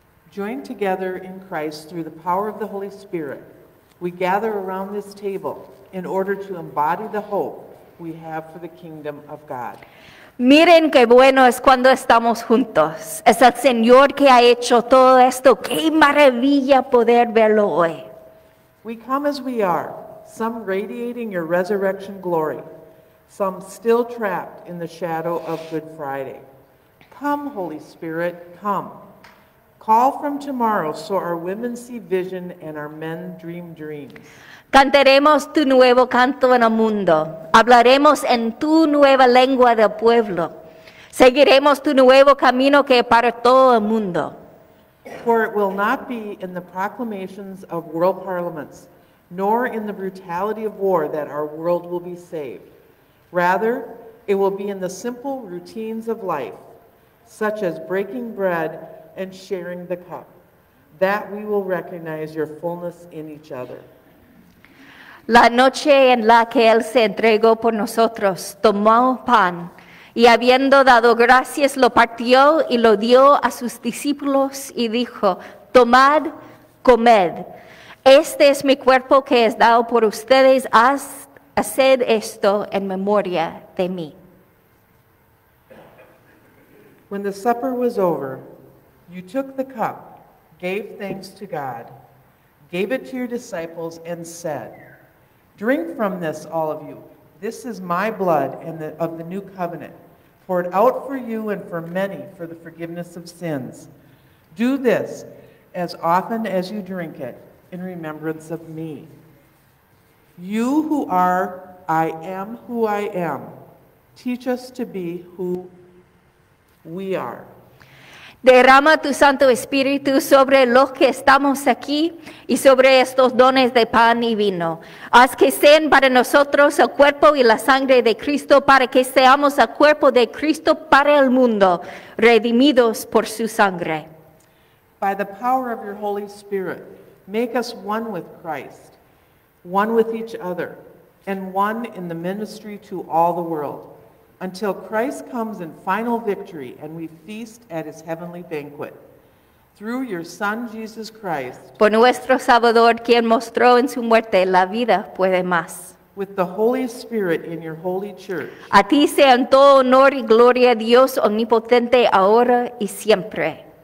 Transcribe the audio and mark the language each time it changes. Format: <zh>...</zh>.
<en>Joined together in Christ through the power of the Holy Spirit, we gather around this table in order to embody the hope we have for the kingdom of God.</en> <es>Miren qué bueno es cuando estamos juntos. Es el Señor que ha hecho todo esto. Qué maravilla poder verlo hoy.</es> <en>We come as we are, some radiating your resurrection glory, some still trapped in the shadow of Good Friday. Come, Holy Spirit, come. Call from tomorrow so our women see vision and our men dream dreams.</en> <es>Cantaremos tu nuevo canto en el mundo. Hablaremos en tu nueva lengua del pueblo. Seguiremos tu nuevo camino que para todo el mundo.</es> <en>For it will not be in the proclamations of world parliaments, nor in the brutality of war that our world will be saved. Rather, it will be in the simple routines of life, such as breaking bread and sharing the cup, that we will recognize your fullness in each other.</en> <es>La noche en la que Él se entregó por nosotros, tomó pan, y habiendo dado gracias, lo partió y lo dio a sus discípulos, y dijo, tomad, comed. Este es mi cuerpo que es dado por ustedes, haced esto en memoria de mí.</es> <en>When the supper was over, you took the cup, gave thanks to God, gave it to your disciples, and said, drink from this, all of you. This is my blood of the new covenant, poured out for you and for many for the forgiveness of sins. Do this as often as you drink it in remembrance of me. You who are, I am who I am, teach us to be who we are.</en> <es>Derrama tu Santo Espíritu sobre los que estamos aquí y sobre estos dones de pan y vino. Haz que sean para nosotros el cuerpo y la sangre de Cristo para que seamos el cuerpo de Cristo para el mundo, redimidos por su sangre.</es> <en>By the power of your Holy Spirit, make us one with Christ, one with each other, and one in the ministry to all the world, until Christ comes in final victory and we feast at his heavenly banquet. Through your Son, Jesus Christ,</en> <es>por nuestro Salvador, quien mostró en su muerte la vida puede más.</es> <en>With the Holy Spirit in your holy church,</en> <es>a ti sea en todo honor y gloria Dios omnipotente ahora y siempre.</es>